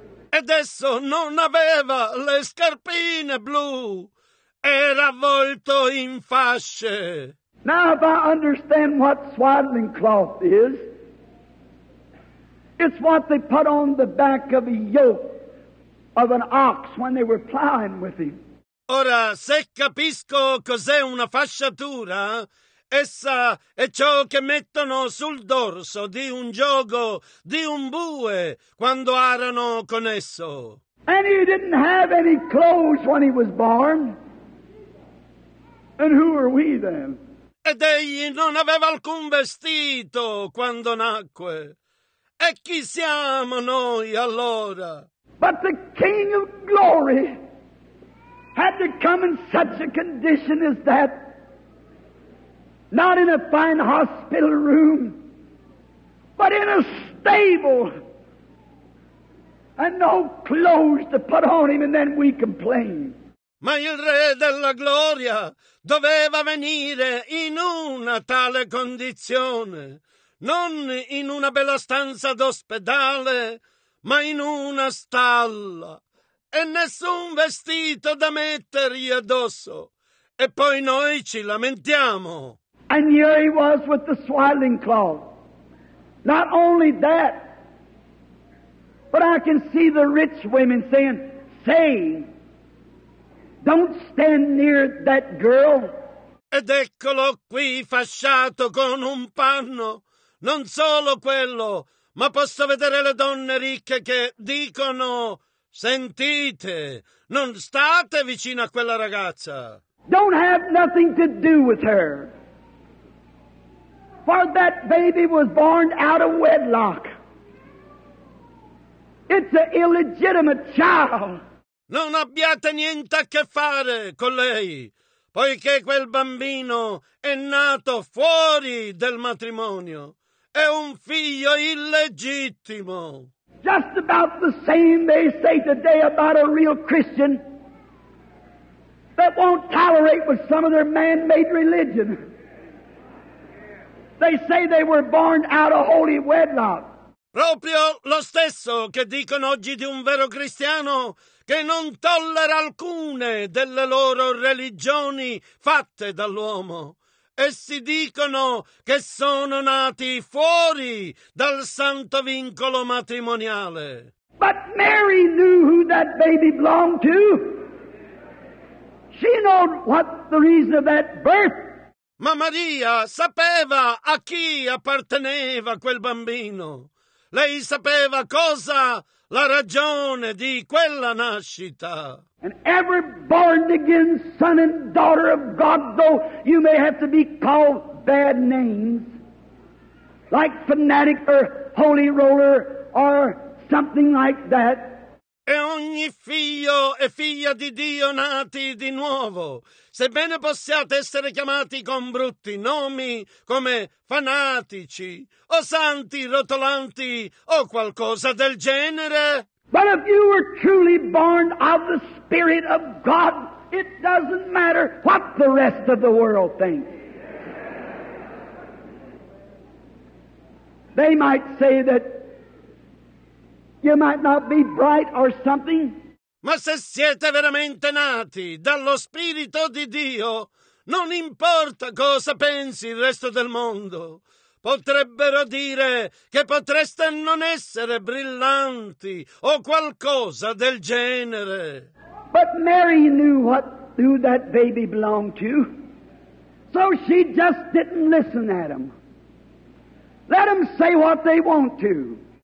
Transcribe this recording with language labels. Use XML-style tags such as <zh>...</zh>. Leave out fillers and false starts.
<it>Ed esso non aveva le scarpine blu. Era avvolto in fasce.</it> <en>Now if I understand what swaddling cloth is, it's what they put on the back of a yoke of an ox when they were plowing with him.</en> <it>Ora, se capisco cos'è una fasciatura, essa è ciò che mettono sul dorso di un giogo di un bue quando arano con esso.</it> <en>And he didn't have any clothes when he was born. And who are we then?</en> <it>Ed egli non aveva alcun vestito quando nacque. E chi siamo noi allora?</it> <en>But the King of Glory had to come in such a condition as that, not in a fine hospital room, but in a stable, and no clothes to put on him, and then we complain.</en> <it>Ma il Re della Gloria doveva venire in una tale condizione. Non in una bella stanza d'ospedale, ma in una stalla. E nessun vestito da mettergli addosso. E poi noi ci lamentiamo.</it> <en>And here he was with the swaddling cloth. Not only that, but I can see the rich women saying, "Say, don't stand near that girl."</en> <it>Ed eccolo qui fasciato con un panno. Non solo quello, ma posso vedere le donne ricche che dicono: "Sentite, non state vicino a quella ragazza."</it> <en>Don't have nothing to do with her. For that baby was born out of wedlock. It's an illegitimate child.</en> <it>Non abbiate niente a che fare con lei, poiché quel bambino è nato fuori del matrimonio. È un figlio illegittimo.</it> <en>Just about the same they say today about a real Christian that won't tolerate with some of their man-made religion. They say they were born out of holy wedlock.</en> <it>Proprio lo stesso che dicono oggi di un vero cristiano che non tollera alcune delle loro religioni fatte dall'uomo. Essi dicono che sono nati fuori dal santo vincolo matrimoniale.</it> <en>But Mary knew who that baby belonged to. She knew what the reason of that birth.</en> <it>Ma Maria sapeva a chi apparteneva quel bambino. Lei sapeva cosa la ragione di quella nascita.</it> <en>And every born again son and daughter of God, though you may have to be called bad names, like fanatic or holy roller or something like that.</en> <it>E ogni figlio e figlia di Dio nati di nuovo, sebbene possiate essere chiamati con brutti nomi come fanatici o santi rotolanti o qualcosa del genere.</it> <en>But if you were truly born of the Spirit of God, it doesn't matter what the rest of the world thinks. They might say that you might not be bright or something.</en> <it>Ma se siete veramente nati dallo Spirito di Dio, non importa cosa pensi il resto del mondo. Potrebbero dire che potreste non essere brillanti o qualcosa del genere.</it> <en>But Mary knew what who that baby belonged to, so she just didn't listen at him. Let them say what they want to.</en>